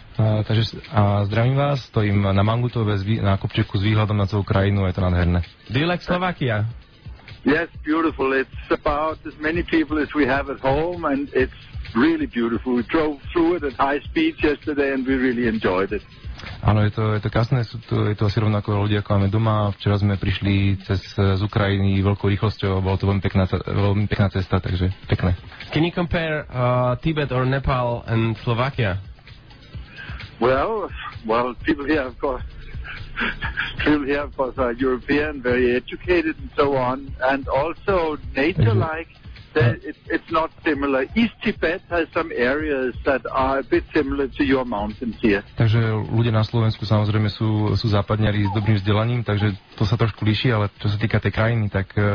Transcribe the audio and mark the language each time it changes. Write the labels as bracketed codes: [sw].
[sk] Takže zdravím vás, stojím na Mangutove na kopčeku s výhľadom na celú krajinu, je to nádherné. [en] Do you like Slovakia? Yes, beautiful. It's about as many people as we have at home and it's really beautiful. We drove through it at high speed yesterday and we really enjoyed it. [sk] Áno, je to krásne, je to asi rovnako ľudia, ako máme doma. Včera sme prišli z Ukrajiny veľkou rýchlosťou, bolo to veľmi pekná cesta, takže pekné. [en] Can you compare Tibet or Nepal and Slovakia? Well, people here, of course, are European, very educated and so on, and also nature-like, it's not similar. East Tibet has some areas that are a bit similar to your mountains here. [sk] Takže ľudia na Slovensku samozrejme sú západňari s dobrým vzdelaním, takže to sa trošku líši, ale čo sa týka tej krajiny, tak